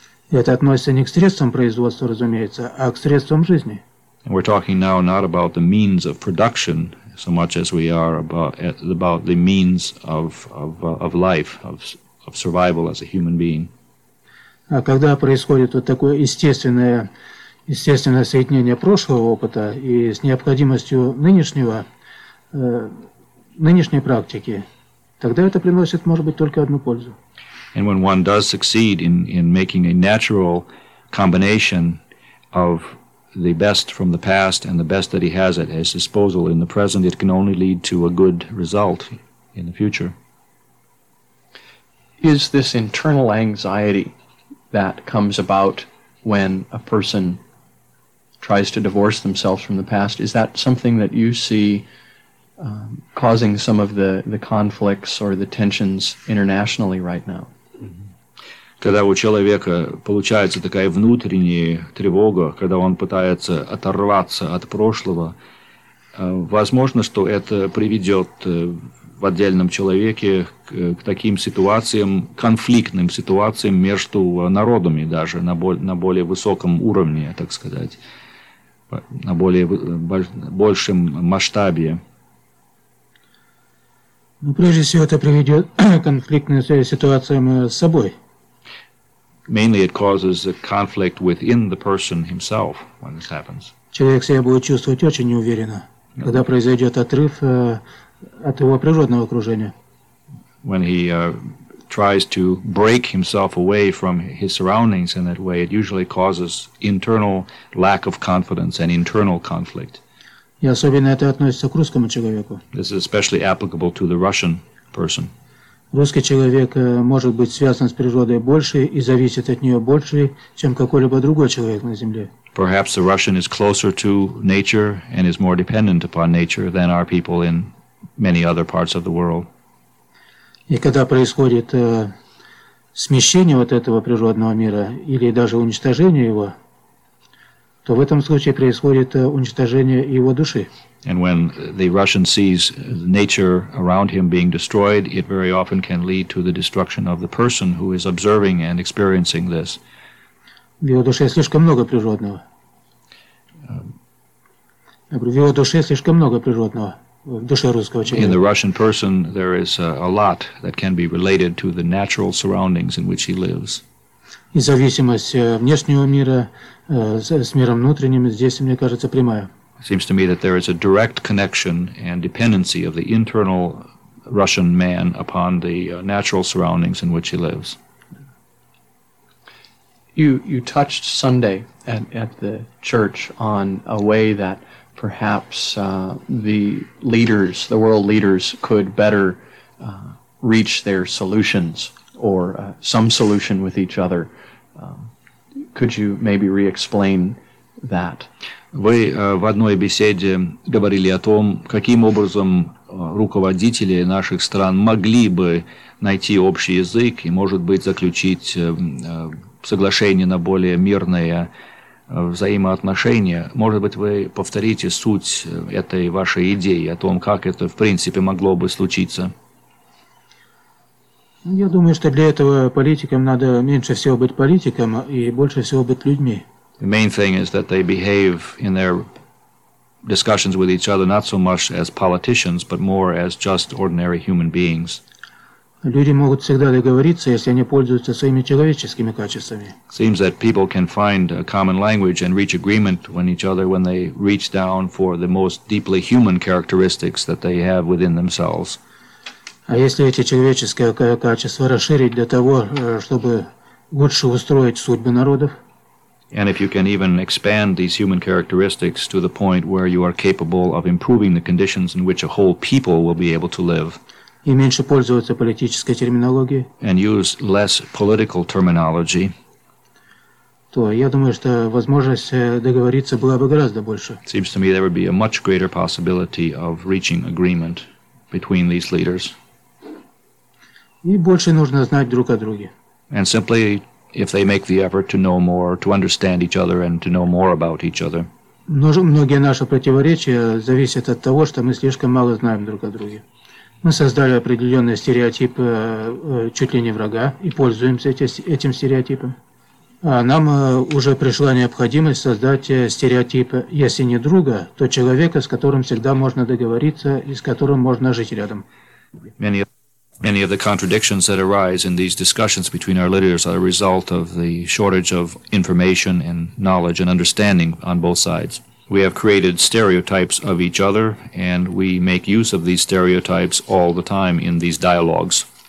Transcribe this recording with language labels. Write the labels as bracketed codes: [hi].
[ru] Это относится не к средствам производства, разумеется, а к средствам жизни. [en] And we're talking now not about the means of production so much as we are about the means of life, of survival as a human being. [ru] А когда происходит вот такое естественное соединение прошлого опыта и с необходимостью нынешней практики, тогда это приносит, может быть, только одну пользу. [en] And when one does succeed in making a natural combination of the best from the past and the best that he has at his disposal in the present, it can only lead to a good result in the future. Is this internal anxiety that comes about when a person tries to divorce themselves from the past, is that something that you see causing some of the conflicts or the tensions internationally right now? [ru] Когда у человека получается такая внутренняя тревога, когда он пытается оторваться от прошлого, возможно, что это приведет в отдельном человеке к таким ситуациям, конфликтным ситуациям между народами даже, на более высоком уровне, так сказать, на более большем масштабе. Ну, прежде всего, это приведет к конфликтным ситуациям с собой. [en] Mainly it causes a conflict within the person himself when this happens. [ru] Человек себя будет чувствовать очень неуверенно, когда произойдет отрыв от его природного окружения. [en] When he tries to break himself away from his surroundings in that way, it usually causes internal lack of confidence and internal conflict. [ru] И особенно это относится к русскому человеку. [en] This is especially applicable to the Russian person. [ru] Русский человек может быть связан с природой больше и зависит от нее больше, чем какой-либо другой человек на Земле. [en] Perhaps the Russian is closer to nature and is more dependent upon nature than our people in many other parts of the world. [ru] И когда происходит смещение вот этого природного мира или даже уничтожение его, то в этом случае происходит уничтожение его души. [en] And when the Russian sees nature around him being destroyed, it very often can lead to the destruction of the person who is observing and experiencing this. [ru] В его душе слишком много природного. В его душе слишком много природного. В душе русского человека. [en] In the Russian person, there is a lot that can be related to the natural surroundings in which he lives. [ru] И зависимость внешнего мира с миром внутренним здесь, мне кажется, прямая. [en] It seems to me that there is a direct connection and dependency of the internal Russian man upon the natural surroundings in which he lives. You touched Sunday at the church on a way that perhaps the leaders, the world leaders, could better reach their solutions or some solution with each other. Could you maybe re-explain that? [ru] Вы в одной беседе говорили о том, каким образом руководители наших стран могли бы найти общий язык и, может быть, заключить соглашение на более мирные взаимоотношения. Может быть, вы повторите суть этой вашей идеи о том, как это, в принципе, могло бы случиться? Я думаю, что для этого политикам надо меньше всего быть политиком и больше всего быть людьми. [en] The main thing is that they behave in their discussions with each other not so much as politicians, but more as just ordinary human beings. [ru] Люди могут всегда договориться, если они пользуются своими человеческими качествами. [en] It seems that people can find a common language and reach agreement with each other when they reach down for the most deeply human characteristics that they have within themselves. [ru] А если эти человеческие качества расширить для того, чтобы лучше устроить судьбы народов? [en] And if you can even expand these human characteristics to the point where you are capable of improving the conditions in which a whole people will be able to live. [ru] И меньше пользоваться политической терминологией. [en] And use less political terminology. [ru] То я думаю, что возможность договориться была бы гораздо больше. [en] It seems to me there would be a much greater possibility of reaching agreement between these leaders. [ru] И больше нужно знать друг о друге. [en] And simply if they make the effort to know more, to understand each other, and to know more about each other. [ru] Многие наши противоречия зависят от того, что мы слишком мало знаем друг о друге. Мы создали определенный стереотип чуть ли не врага и пользуемся этим стереотипом. А нам уже пришла необходимость создать стереотип, если не друга, то человека, с которым всегда можно договориться и с которым можно жить рядом. [en] Many of the contradictions that arise in these discussions between our leaders are a result of the shortage of information and knowledge and understanding on both sides. We have created stereotypes of each other, and we make use of these stereotypes all the time in these dialogues.